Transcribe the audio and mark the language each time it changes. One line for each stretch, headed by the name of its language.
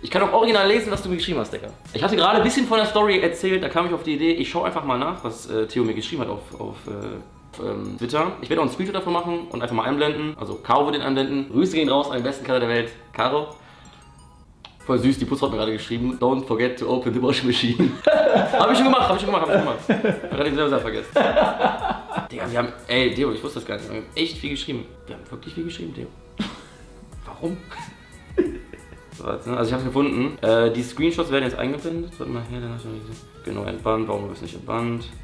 German: Ich kann auch original lesen, was du mir geschrieben hast, Digga. Ich hatte gerade ein bisschen von der Story erzählt, da kam ich auf die Idee, ich schaue einfach mal nach, was Theo mir geschrieben hat auf Twitter. Ich werde auch einen Screenshot davon machen und einfach mal einblenden. Also Caro wird den einblenden. Grüße gehen raus an den besten Kerl der Welt. Caro. Voll süß, die Puss hat mir gerade geschrieben.
English: Don't forget to open the washing machine.
German: hab ich schon gemacht. Ich hab gerade den selber vergessen. Digga, wir haben, ey, Theo, ich wusste das gar nicht. Wir haben echt viel geschrieben. Wir haben wirklich viel geschrieben, Theo. Warum? Also ich hab's gefunden. Die Screenshots werden jetzt eingeblendet. Warte mal her, dann hast du noch nicht gesehen. Genau, entbannt. Warum bist du nicht entbannt?